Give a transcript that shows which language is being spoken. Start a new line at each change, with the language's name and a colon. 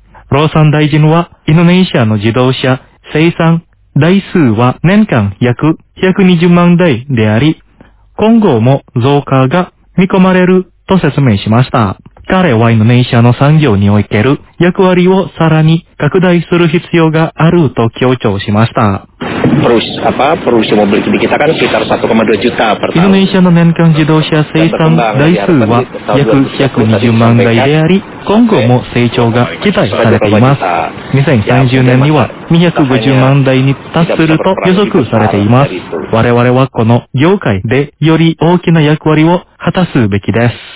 Japanese: ローサン大臣は、インドネシアの自動車生産台数は年間約120万台であり、今後も増加が見込まれると説明しました。彼はインドネシアの産業における役割をさらに拡大する必要があると強調しました。
Indonesian: Produksi mobil kita kan sekitar 1,2 juta per tahun.
Japanese: Indonesia の年間自動車生産台数は約120万台であり、今後も成長が期待されています。 2030年には250万台に達すると予測されています。我々はこの業界でより大きな役割を果たすべきです。